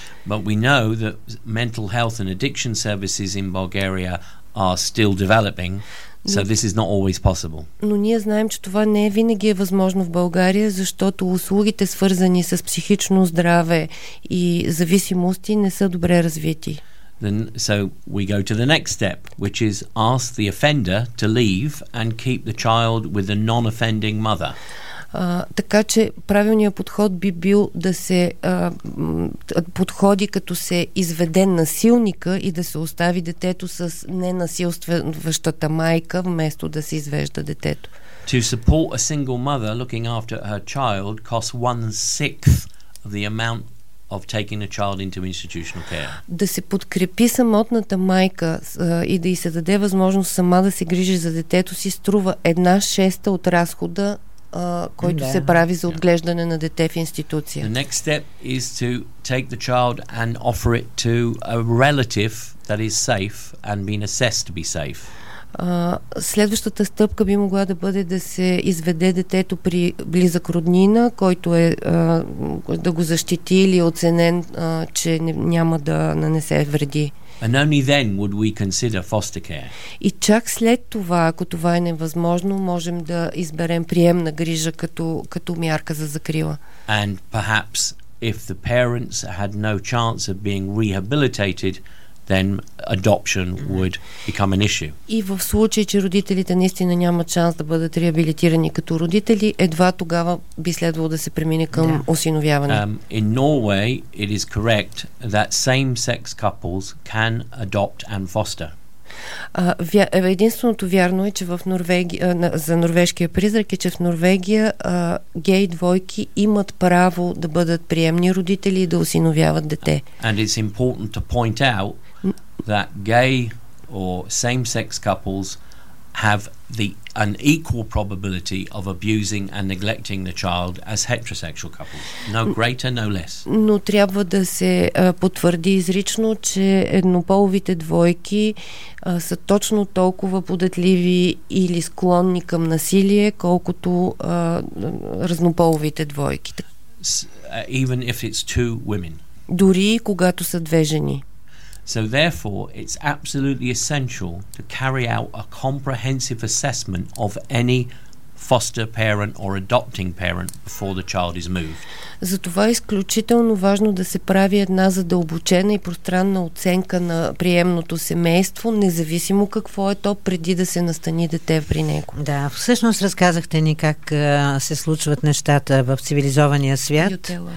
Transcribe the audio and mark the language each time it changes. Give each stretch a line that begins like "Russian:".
English: But we know that mental health and addiction services in Bulgaria are still developing. So this is not always possible.
Bulgarian: Но ние знаем, че това не винаги е възможно в България, защото услугите, свързани с психично здраве и зависимости, не са добре развити.
English: Then, so we go to the next step, which is ask the offender to leave and keep the child with the non-offending mother.
Bulgarian: Така че правилният подход би бил да се подходи като се изведе насилника и да се остави детето с ненасилстващата майка, вместо да се извежда детето.
English: To support a single mother looking after her child costs 1/6 of the amount of taking a child into institutional care.
Bulgarian: Да се подкрепи самотната майка и да й се даде възможност сама да се грижи за детето си струва 1/6 от разхода който се прави за отглеждане на дете в институция.
English: The next step is to take the child and offer it to a relative that is safe and been assessed to be safe.
Bulgarian: Следващата стъпка би могла да бъде да се изведе детето при близък роднина, който е да го защити или оценен, че няма да нанесе вреди.
English: And only then would we consider foster care.
Bulgarian: И чак след това, ако това е невъзможно, можем да изберем приемна грижа като мярка за закрила.
English: And perhaps if the parents had no chance of being rehabilitated, then adoption would become an issue.
Bulgarian: И в случай, че родителите наистина нямат шанс да бъдат реабилитирани като родители, едва тогава би следвало да се премине към осиновяване.
English: In Norway, it is correct that same-sex couples can adopt and foster.
Bulgarian: Единственото вярно е, че за норвежкия призрак е, че в Норвегия гей двойки имат право да бъдат приемни родители и да осиновяват дете.
English: And it's important to point out that gay or same-sex couples have an equal probability of abusing and neglecting the child as heterosexual couples. No greater, no less.
Bulgarian: Но трябва да се потвърди изрично, че еднополовите двойки са точно толкова податливи или склонни към насилие, колкото разнополовите двойки.
English: Even if it's two women.
Bulgarian: Дори когато са две жени.
English: So therefore, it's absolutely essential to carry out a comprehensive assessment of any foster parent or adopting parent before the child is moved.
Bulgarian: Затова е изключително важно да се прави една задълбочена и пространна оценка на приемното семейство, независимо какво е то, преди да се настани дете при него. Да, всъщност разказахте ни как се случват нещата в цивилизования свят.